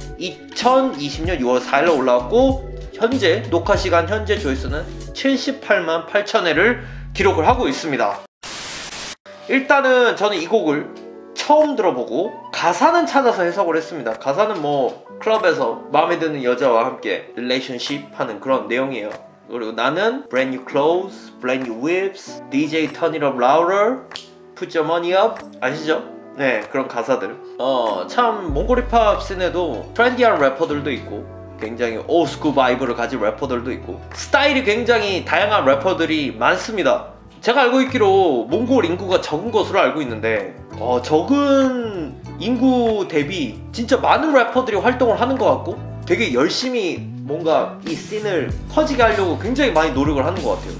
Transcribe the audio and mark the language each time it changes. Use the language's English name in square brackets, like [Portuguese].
[Korean] 2020년 6월 4일에 올라왔고 현재 녹화 시간 현재 조회수는 78만 8천회를 기록을 하고 있습니다. 일단은 저는 이 곡을 처음 들어보고 가사는 찾아서 해석을 했습니다. 가사는 뭐 클럽에서 마음에 드는 여자와 함께 릴레이션십 하는 그런 내용이에요. [English] 그리고 나는 Brand new clothes, brand new whips, DJ turn it up louder, put your money up. [Korean] 아시죠? 네, 그런 가사들. 참 몽골힙합 씬에도 트렌디한 래퍼들도 있고 굉장히 올드스쿨 바이브를 가진 래퍼들도 있고 스타일이 굉장히 다양한 래퍼들이 많습니다. 제가 알고 있기로 몽골 인구가 적은 것으로 알고 있는데 적은 인구 대비 진짜 많은 래퍼들이 활동을 하는 것 같고 되게 열심히 뭔가 이 씬을 커지게 하려고 굉장히 많이 노력을 하는 것 같아요.